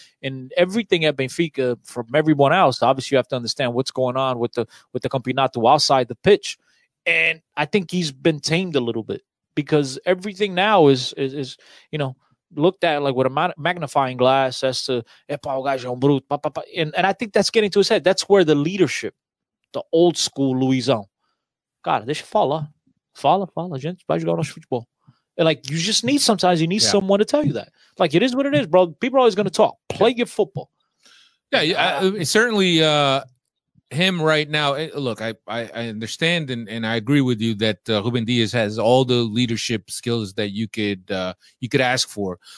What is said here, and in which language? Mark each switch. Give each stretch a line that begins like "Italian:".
English: And everything at Benfica, from everyone else, obviously you have to understand what's going on with the Campeonato outside the pitch. And I think he's been tamed a little bit, because everything now is you know, looked at like with a magnifying glass as to, Paul Gajão Bruto, pa, pa, pa. And I think that's getting to his head. That's where the leadership, the old school Luizão,
Portuguese: cara, deixa falar. Fala, gente, vai jogar nosso futebol.
English: And like, you just need, sometimes you need someone to tell you that. Like, it is what it is, bro. People are always going to talk. Play your football. Yeah, certainly him right now. Look, I understand and I agree with you that Rubén Dias has all the leadership skills that you could ask for.